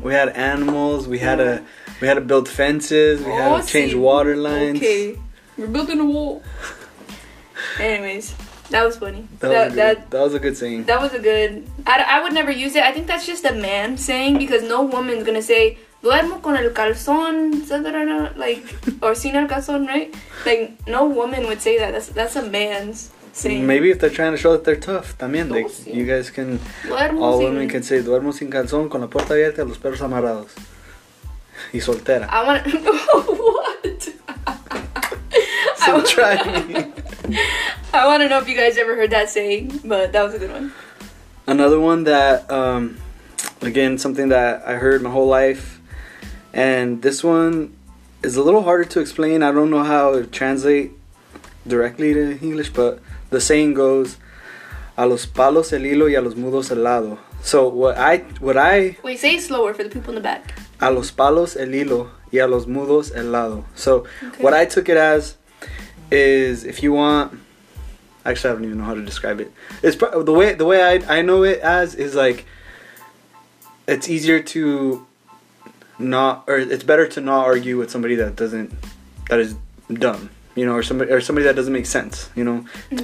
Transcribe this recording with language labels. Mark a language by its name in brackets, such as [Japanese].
[English] We had animals. We had to build fences. We had to change water lines. Okay, we're building a wall. Anyways, that was funny. That was a good saying. That was a good. I would never use it. I think that's just a man saying, because no woman's gonna say, [Spanish] duermo con el calzón, [English] like, or [Spanish] sin el calzón, right? [English] Like, no woman would say that. That's a man's saying. Maybe if they're trying to show that they're tough, también. [Spanish] Like, oh, sí. [English] You guys can, [Spanish] duermo all sin, [English] women can say, [Spanish] duermo sin calzón, con la puerta abierta, los perros amarrados. Y soltera. [English] I wanna, what? So I wanna, try me. I wanna know if you guys ever heard that saying, but that was a good one. Another one that, again, something that I heard my whole life, and this one is a little harder to explain. I don't know how it translate directly to English, but the saying goes, [Spanish] a los palos el hilo y a los mudos el lado. [English] So what I... Wait, say it slower for the people in the back. [Spanish] A los palos el hilo y a los mudos el lado. [English] So Okay. What I took it as is, if you want... Actually, I don't even know how to describe it. It's the way I know it as is, like, it's easier to not, or it's better to not argue with somebody that is dumb, you know, or somebody that doesn't make sense, you know. It's okay.